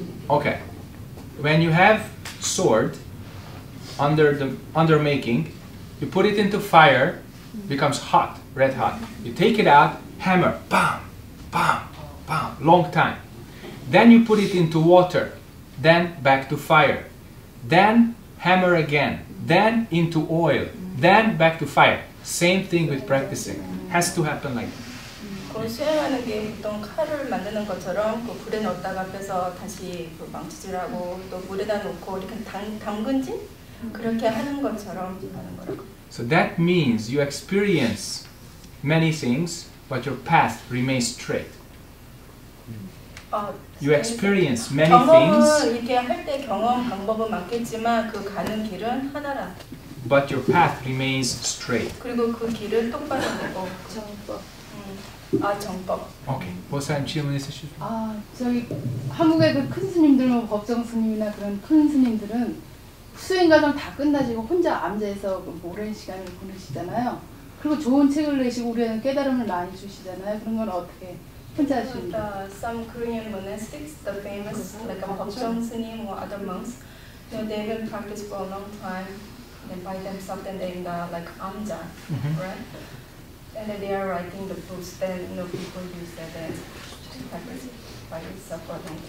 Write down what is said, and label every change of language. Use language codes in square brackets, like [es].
[en] Okay, when you have sword under making, you put it into fire, becomes hot, red hot. You take it out, hammer, bam, bam, bam, long time. Then you put it into water, then back to fire, then hammer again, then into oil, then back to fire. Same thing with practicing. Has to happen like that. [ko] 수행하는 게 보통 칼을 만드는 것처럼 그 불에 넣었다가 빼서 다시 그 망치질하고 또 물에다 놓고 이렇게 담근지 그렇게 하는 것처럼 하는 거라고. [en] So that means you experience many things but your path remains straight. You experience many [ko] 경험은 [en] things. [ko] 이렇게 할 때 경험 방법은 많겠지만 그 가는 길은 하나라. [en] But your path remains straight. [ko] 그리고 그 길은 똑바로 되고 정법. 아 정법. Okay. 무슨 질문 있으시죠? 아 저희 한국의 그 큰 스님들, 뭐 법정 스님이나 그런 큰 스님들은 수행 과정 다 끝나시고 혼자 암자에서 오랜 시간을 보내시잖아요. 그리고 좋은 책을 내시고 우리는 깨달음을 많이 주시잖아요. 그런 건 어떻게? [en] Some Korean monastics, the famous, like Chong Chong Sunim or other monks, so they will practice for a long time and by themselves and in the like Amja, right? And then they are writing the books, then you know, people use that as practice by itself.